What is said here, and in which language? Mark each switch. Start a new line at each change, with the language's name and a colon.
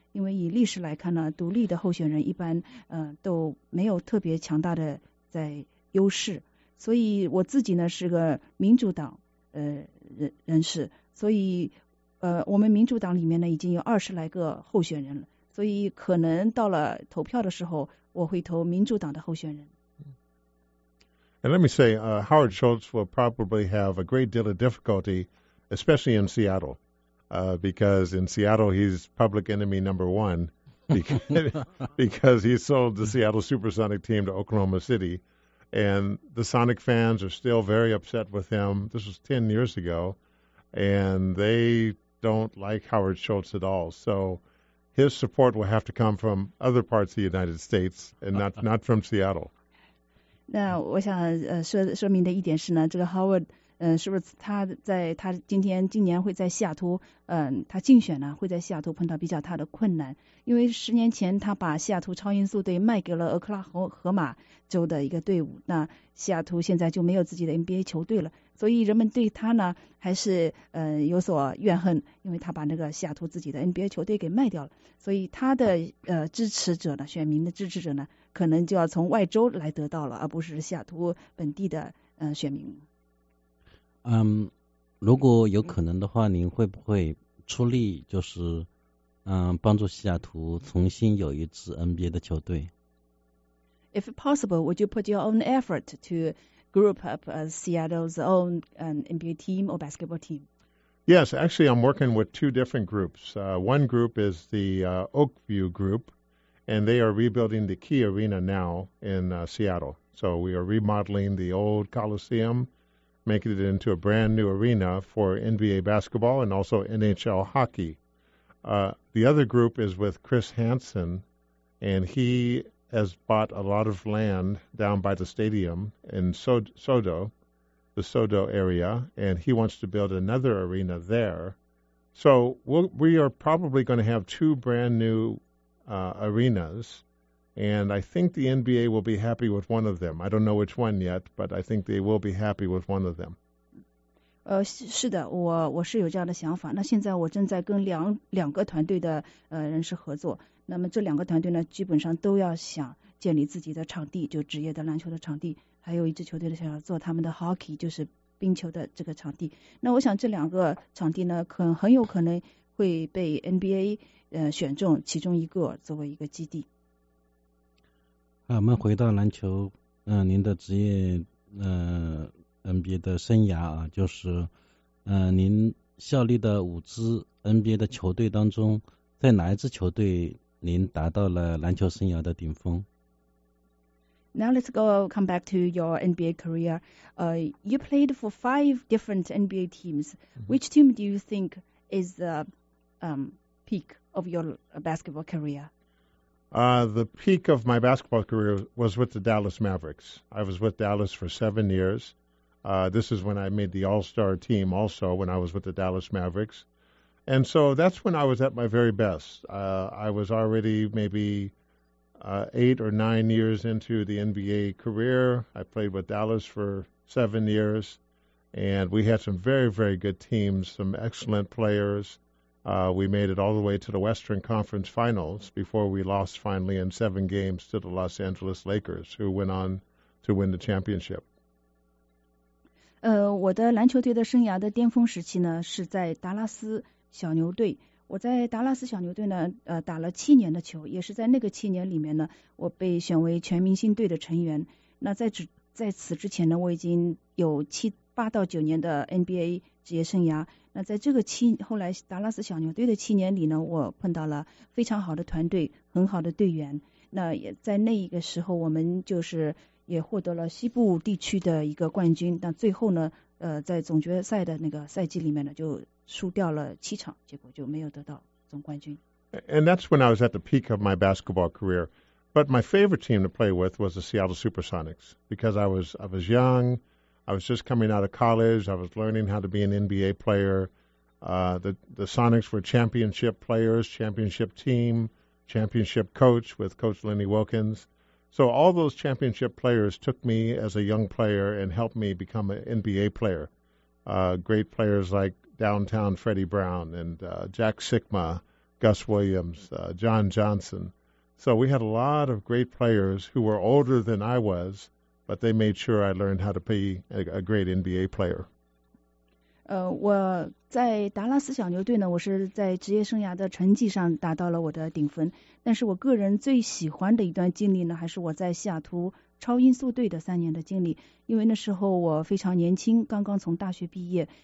Chinese: 因为以历史来看呢，独立的候选人一般都没有特别强大的在优势。所以我自己呢是个民主党人士，所以我们民主党里面呢已经有20来个候选人了，所以可能到了投票的时候，我会投民主党的候选人。
English: And let me say, Howard Schultz will probably have a great deal of difficulty, especially in Seattle, because in Seattle he's public enemy number one, because he sold the Seattle Supersonic team to Oklahoma City. And the Sonic fans are still very upset with him. This was 10 years ago, and they don't like Howard Schultz at all. So his support will have to come from other parts of the United States and not from Seattle.
Chinese: 那我想说明的一点是呢，这个 Howard 是不是他在他今年会在西雅图他竞选呢会在西雅图碰到比较大的困难，因为十年前他把西雅图超音速队卖给了俄克拉荷马州的一个队伍，那西雅图现在就没有自己的 NBA 球队了，所以人们对他呢还是有所怨恨，因为他把那个西雅图自己的 NBA 球队给卖掉了，所以他的支持者呢，选民的支持者呢，可能就要从外州来得到了，而不是西雅图本地的选民。如果有可能的话，您会不会出力，就是帮助西雅图重新有一支 NBA 的球队
English: ？If possible, would you put your own effort to group up Seattle's own NBA team or basketball team? Yes, actually, I'm working with two different groups. One group is the Oakview group, and they are rebuilding the Key Arena now in Seattle. So we are remodeling the old Coliseum, making it into a brand new arena for NBA basketball and also NHL hockey. The other group is with Chris Hansen, and he has bought a lot of land down by the stadium in Sodo, the Sodo area, and he wants to build another arena there. So we are probably going to have two brand new arenas, and I think the NBA will be happy with one of them. I don't know which one yet, but I think they will be happy with one of them.
Chinese: 是的，我是有这样的想法。那现在我正在跟两个团队的人士合作。那么这两个团队呢，基本上都要想建立自己的场地，就职业的篮球的场地，还有一支球队的想要做他们的 hockey， 就是冰球的这个场地。那我想这两个场地呢，很有可能会被 NBA 选中其中一个作为一个基地。啊，我们回到篮球，您的职业NBA 的生涯啊，就是您效力的五支 NBA 的球队当中，在哪一支球队您达到了篮球生涯的顶峰？
English: Now let's come back to your NBA career. You played for 5 different NBA teams. Which team do you think is the peak of your basketball career? The peak of my basketball career was with the Dallas Mavericks. I was with Dallas for 7 years. This is when I made the All-Star team also, when I was with the Dallas Mavericks. And so that's when I was at my very best. I was already maybe 8 or 9 years into the NBA career. I played with Dallas for 7 years, and we had some very, very good teams, some excellent players. We made it all the way to the Western Conference Finals before we lost finally in 7 games to the Los Angeles Lakers, who went on to win the championship.
Chinese: 我的篮球队的生涯的巅峰时期呢，是在达拉斯小牛队。我在达拉斯小牛队呢，打了7年的球，也是在那个7年里面呢，我被选为全明星队的成员。那在此之前呢，我已经有8到9年的 NBA 职业生涯。那在这个后来达拉斯小牛队的7年里呢，我碰到了非常好的团队，很好的队员。那也在那一个时候，我们就是也获得了西部地区的一个冠军。但最后呢，在总决赛的那个赛季里面呢，就输掉了7场，结果就没有得到总冠军。
English: And that's when I was at the peak of my basketball career. But my favorite team to play with was the Seattle Supersonics because I was young. I was just coming out of college. I was learning how to be an NBA player. The Sonics were championship players, championship team, championship coach with Coach Lenny Wilkins. So all those championship players took me as a young player and helped me become an NBA player. Great players like downtown Freddie Brown and Jack Sikma, Gus Williams, John Johnson. So we had a lot of great players who were older than I was, but they made sure I learned how to be a great NBA player.
Chinese: 我在达拉斯小牛队呢，我是在职业生涯的成绩上达到了我的顶峰。但是我个人最喜欢的一段经历呢，还是我在西雅图超音速队的3年的经历。因为那时候我非常年轻，刚刚从大学毕业。